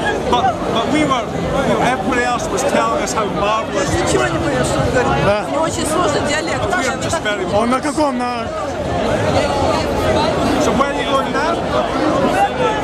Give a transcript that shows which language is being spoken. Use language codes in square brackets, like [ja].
[en] But we were, you know, everybody else was telling us how marvelous. [ru] Ничего не понимаешь, что он говорит. Да. Он очень сложный диалект. [en] We are just very [ru] он на каком? На... [en] So where are you going now?